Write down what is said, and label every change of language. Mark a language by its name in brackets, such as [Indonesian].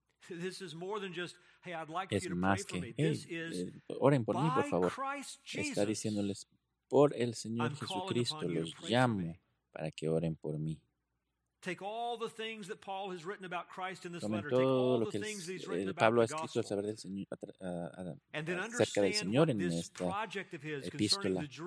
[Spanish] Es más que, hey, oren por mí, por favor. Está diciéndoles, por el Señor Jesucristo los llamo para que oren por mí. [English] Take all the things that Paul has written about Christ in this letter. Take all the things that [Spanish] Pablo ha escrito acerca del Señor, acerca del Señor en esta epístola.